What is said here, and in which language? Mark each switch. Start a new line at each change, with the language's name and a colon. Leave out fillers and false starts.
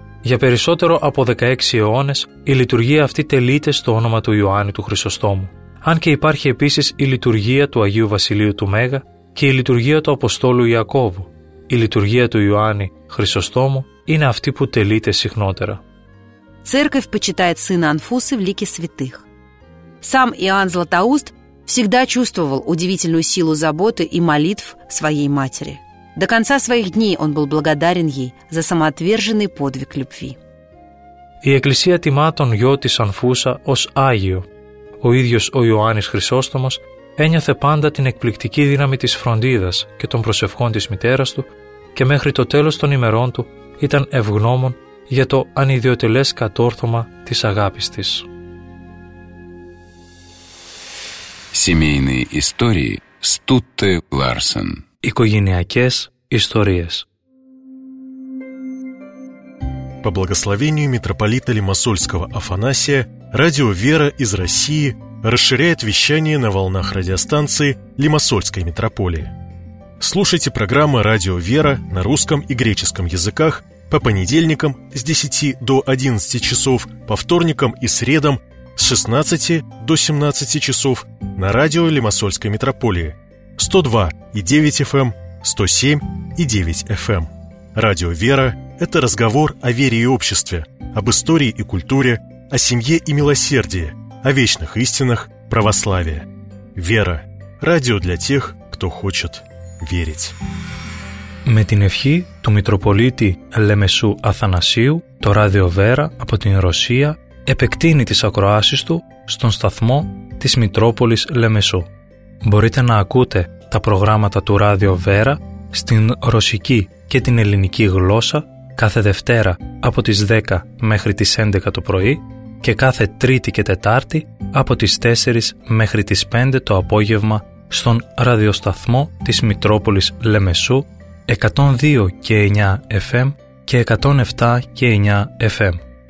Greek: Για περισσότερο από 16 αιώνες, η λειτουργία αυτή τελείται στο όνομα του Ιωάννη του Χρυσοστόμου. Αν και υπάρχει επίσης η λειτουργία του Αγίου Βασιλείου του Μέγα και η λειτουργία του Αποστόλου Ιακώβου. Η λειτουργία του Ιωάννη Χρυσοστόμου είναι αυτή που τελείται συχνότερα.
Russian: Церковь почитает сына Анфусы в лике святых. Сам Иоанн Златоуст всегда чувствовал удивительную силу заботы и молитв своей матери. До конца своих дней он был благодарен ей за самоотверженный подвиг любви.
Greek: Η Εκκλησία τιμά τον γιο της Ανφούσα ως Άγιο. Ο ίδιος ο Ιωάννης Χρυσόστομος ένιωθε πάντα την εκπληκτική δύναμη της φροντίδας και των προσευχών της μητέρας του και μέχρι το τέλος των ημερών του ήταν ευγνώμων για το ανιδιοτελές κατόρθωμα της αγάπης της.
Russian: Семейные истории Стутте Ларсен.
Greek: Οικογενειακές ιστορίες.
Russian: По благословению митрополита Лимассольского Афанасия, радио «Вера» из России расширяет вещание на волнах радиостанции Лимассольской митрополии. Слушайте программы «Радио «Вера» на русском и греческом языках по понедельникам с 10 до 11 часов, по вторникам и средам с 16 до 17 часов на радио Лимассольской митрополии 102.9 FM, 107.9 FM. Радио «Вера» – это разговор о вере и обществе, об истории и культуре, о семье и милосердии, о вечных истинах православия. «Вера» – радио для тех, кто хочет верить.
Greek: Με την ευχή του Μητροπολίτη Λεμεσού Αθανασίου, το Ράδιο Βέρα από την Ρωσία επεκτείνει τις ακροάσεις του στον σταθμό της Μητρόπολης Λεμεσού. Μπορείτε να ακούτε τα προγράμματα του Ράδιο Βέρα στην ρωσική και την ελληνική γλώσσα κάθε Δευτέρα από τις 10 μέχρι τις 11 το πρωί και κάθε Τρίτη και Τετάρτη από τις 4 μέχρι τις 5 το απόγευμα στον ραδιοσταθμό της Μητρόπολης Λεμεσού 102 και 9 FM και 107 και 9 FM.